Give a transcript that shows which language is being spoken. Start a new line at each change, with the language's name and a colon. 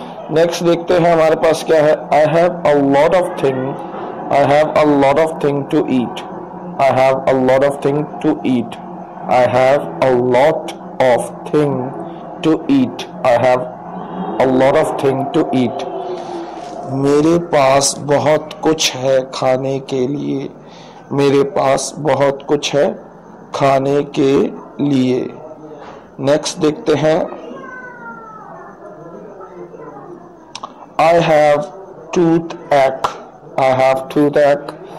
English: next
Urdu: دیکھتے ہیں ہمارے پاس کیا ہے.
English: I have a lot of thing, I have a lot of thing to eat, I have a lot of thing to eat, I have a lot of thing to eat. I have a lot of thing to eat.
Urdu: میرے پاس بہت کچھ ہے کھانے کے لیے, میرے پاس بہت کچھ ہے کھانے کے لیے. نیکسٹ دیکھتے ہیں.
English: I have toothache. I have toothache.